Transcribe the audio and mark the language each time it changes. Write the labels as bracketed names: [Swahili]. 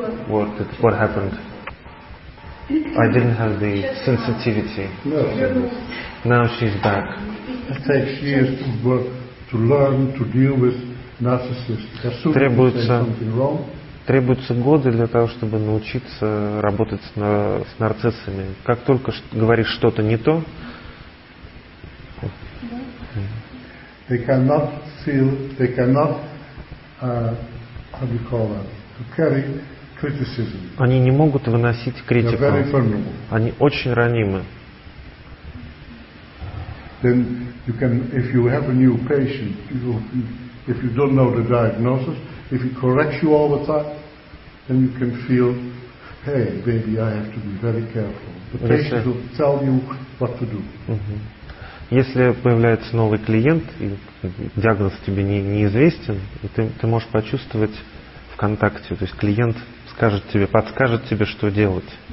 [English] What happened? I didn't have the sensitivity. No. Now she's back. It takes years to work, to learn, to deal with narcissists. As soon as you say something wrong. [Russian] Требуются годы для того, чтобы научиться работать с нарциссами. Как только говоришь что-то не то, [English] they cannot feel, they cannot, how do you call that, carry criticism. [Russian] Они не могут выносить критику. [English] They're very vulnerable. [Russian] Они очень ранимы. [English] Then you can, if you have a new patient, if you don't know the diagnosis, if he corrects you all the time, then you can feel, hey, baby, I have to be very careful. The patient will tell you what to do. [Russian] Если появляется новый клиент, и диагноз тебе неизвестен, и ты можешь почувствовать в контакте, то есть клиент скажет тебе, подскажет тебе, что делать.